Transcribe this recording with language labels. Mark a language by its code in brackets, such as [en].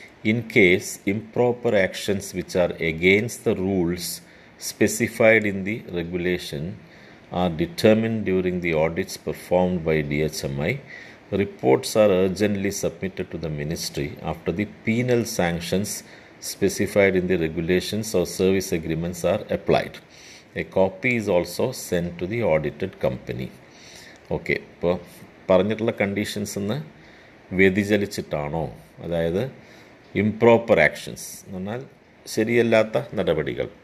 [en] In case improper actions which are against the rules specified in the regulation are determined during the audits performed by D H M I reports are urgently submitted to the ministry after the penal sanctions specified in the regulations or service agreements are applied. A copy is also sent to the audited company. [ml] Okay, ഇപ്പോൾ പറഞ്ഞിട്ടുള്ള conditions എന്ന് വ്യതിചലിച്ചിട്ടാണോ, അതായത് improper actions എന്ന് പറഞ്ഞാൽ ശരിയല്ലാത്ത നടപടികൾ.